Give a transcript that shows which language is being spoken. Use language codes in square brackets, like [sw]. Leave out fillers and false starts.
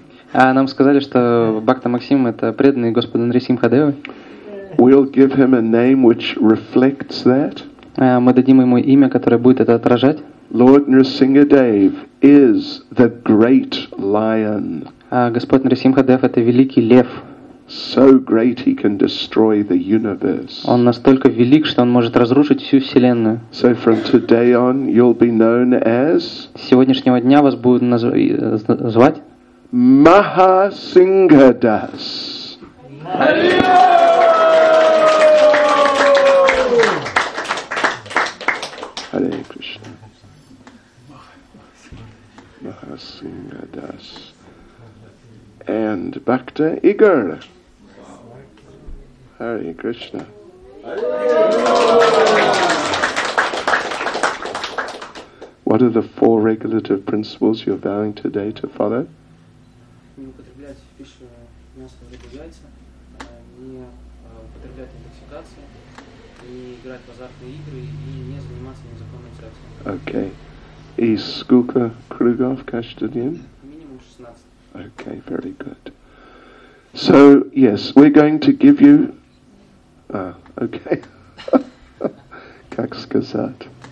[ru] Нам сказали, что Бхакта Максим это преданный Господа Нрисимхадевы. [en] We'll give him a name which reflects that. [ru] Мы дадим ему имя, которое будет это отражать. [en] Lord Nrisimhadev is the great lion. [ru] Господь Нарисимхадев это великий лев. [en] So great he can destroy the universe. [ru] Он настолько велик, что он может разрушить всю вселенную. [en] So from today on you'll be known as. [ru] С сегодняшнего дня вас будут звать Махасингхадас. [en] Hare Krishna. Махасингхадас. And Bhakta Igor. Hare Krishna. What are the four regulative principles you're vowing today to follow? [ru] Не употреблять пищу мясо, рыбу, яйца, не употреблять интоксикацию, не играть в азартные игры и не заниматься незаконным сексом. [en] Okay. [ru] И сколько кругов каждый день? Минимум 16. [en] Okay, very good. So, yes, we're going to give you... okay. [ru] Как сказать?